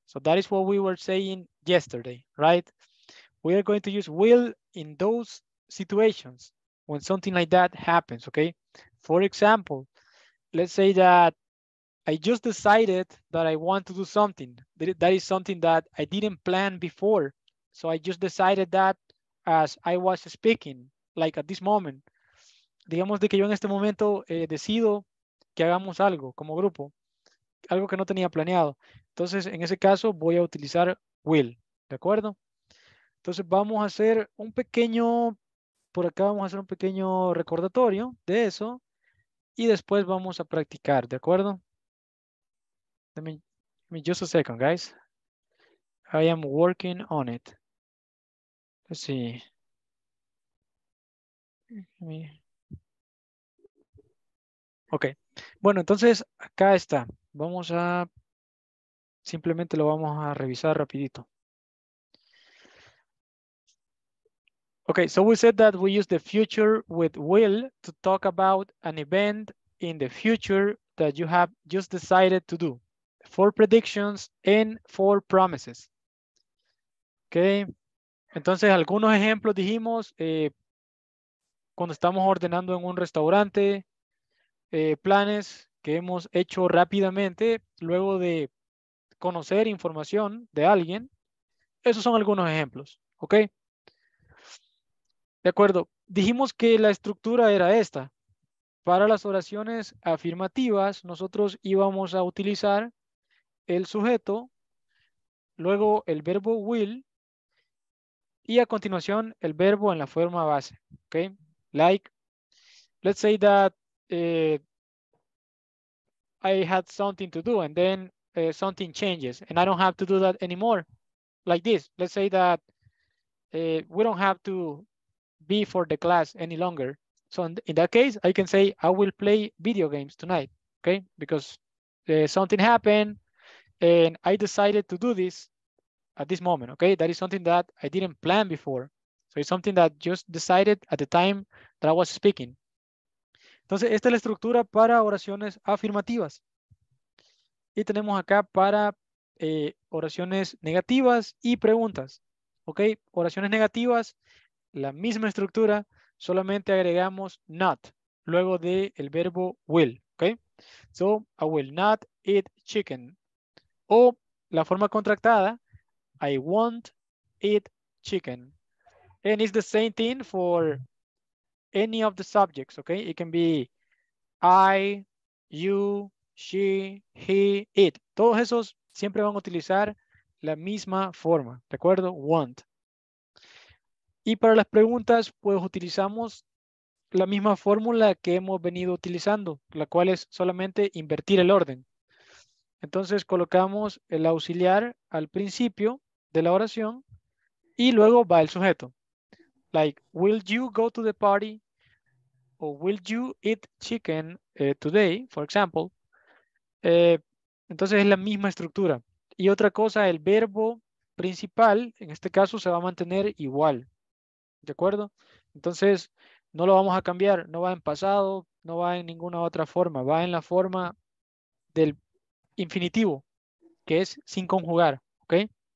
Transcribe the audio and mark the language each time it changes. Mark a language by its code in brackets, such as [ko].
[en] So that is what we were saying yesterday, right? We are going to use will in those situations when something like that happens, okay? For example, let's say that I just decided that I want to do something. That is something that I didn't plan before. So I just decided that as I was speaking, like at this moment. [es] Digamos de que yo en este momento decido que hagamos algo como grupo, algo que no tenía planeado. Entonces, en ese caso, voy a utilizar will, ¿de acuerdo? Entonces, vamos a hacer un pequeño, por acá vamos a hacer un pequeño recordatorio de eso y después vamos a practicar, ¿de acuerdo? [en] Let me just a second, guys. I am working on it. Let's see. [es] Ok, bueno, entonces acá está. Vamos a, simplemente lo vamos a revisar rapidito. [en] Ok, so we said that we use the future with will to talk about an event in the future that you have just decided to do. For predictions and for promises. [es] Ok, entonces algunos ejemplos dijimos cuando estamos ordenando en un restaurante. Planes, ¿ok? que hemos hecho rápidamente luego de conocer información de alguien. Esos son algunos ejemplos, ¿ok? De acuerdo, dijimos que la estructura era esta. Para las oraciones afirmativas, nosotros íbamos a utilizar el sujeto, luego el verbo will, y a continuación el verbo en la forma base, ¿ok? [en] Like, let's say that I had something to do and then something changes and I don't have to do that anymore. Like this, let's say that we don't have to be for the class any longer. So in that case, I can say, I will play video games tonight, okay? Because something happened and I decided to do this at this moment, okay? That is something that I didn't plan before. So it's something that just decided at the time that I was speaking. [es] Entonces, esta es la estructura para oraciones afirmativas. Y tenemos acá para oraciones negativas y preguntas, ¿ok? Oraciones negativas, la misma estructura, solamente agregamos not luego del verbo will, ¿ok? [en] So, I will not eat chicken. [es] O la forma contractada, [en] I won't eat chicken. And it's the same thing for any of the subjects, okay? It can be I, you, she, he, it. [es] Todos esos siempre van a utilizar la misma forma, ¿de acuerdo? Want. Y para las preguntas, pues utilizamos la misma fórmula que hemos venido utilizando, la cual es solamente invertir el orden. Entonces colocamos el auxiliar al principio de la oración y luego va el sujeto. [en] Like, will you go to the party? O will you eat chicken today, for example? [es] Entonces es la misma estructura. Y otra cosa, el verbo principal, en este caso, se va a mantener igual. ¿De acuerdo? Entonces, no lo vamos a cambiar. No va en pasado, no va en ninguna otra forma. Va en la forma del infinitivo, que es sin conjugar. ¿Ok?